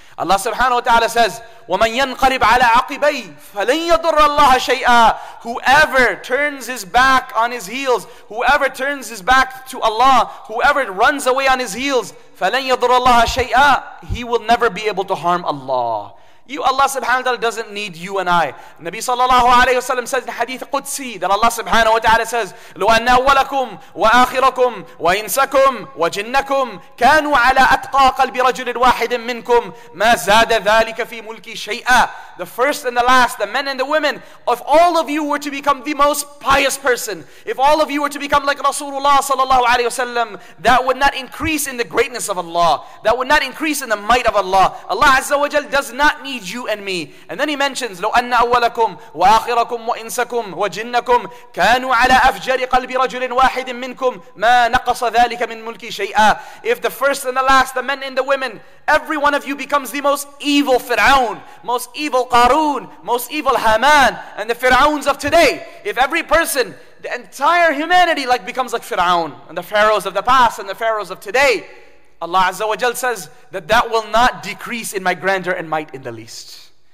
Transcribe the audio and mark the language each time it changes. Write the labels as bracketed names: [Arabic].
[English] Allah subhanahu wa ta'ala says, [Arabic] وَمَنْ يَنْقَرِبْ عَلَى عَقِبَيْهِ فَلَنْ يَضُرَّ اللَّهَ شَيْئًا. [English] Whoever turns his back on his heels, whoever turns his back to Allah, whoever runs away on his heels, [Arabic] فَلَنْ يَضُرَّ اللَّهَ شَيْئًا. [English] He will never be able to harm Allah. Allah subhanahu wa ta'ala doesn't need you and I. Nabi sallallahu alayhi wa sallam says in hadith Qudsi that Allah subhanahu wa ta'ala says, [Arabic] لو أن أولكم وآخركم وإنسكم وجنكم كانوا على أتقى قلب رجل واحد منكم ما زاد ذلك في ملكي شيئا. [English] The first and the last, the men and the women, if all of you were to become the most pious person, if all of you were to become like Rasulullah sallallahu alayhi wa sallam, that would not increase in the greatness of Allah. That would not increase in the might of Allah. Allah azza wa jal does not need you and me. And then he mentions, [Arabic] لو أن أولكم وآخركم وإنسكم وجنكم كانوا على أفجر قلب رجل واحد منكم ما نقص ذلك من ملك شيئا. [English] If the first and the last, the men and the women, every one of you becomes the most evil Fir'aun, most evil Qarun, most evil Haman, and the Fir'auns of today, if every person, the entire humanity, like becomes like Fir'aun and the pharaohs of the past and the pharaohs of today, Allah Azza wa Jal says that will not decrease in my grandeur and might in the least.